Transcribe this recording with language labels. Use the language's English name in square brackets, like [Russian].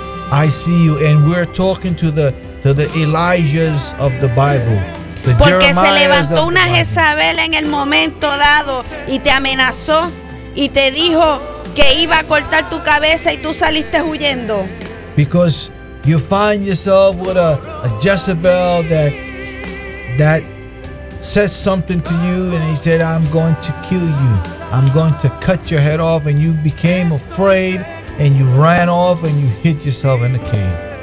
[English] I see you, and we're talking to the Elijahs of the Bible. [Spanish] Porque se levantó una Jezabel en el momento dado y te amenazó y te dijo que iba a cortar tu cabeza y tú saliste huyendo. [English] Because you find yourself with a Jezebel that said something to you, and he said, I'm going to kill you. I'm going to cut your head off, and you became afraid and you ran off and you hid yourself in the cave.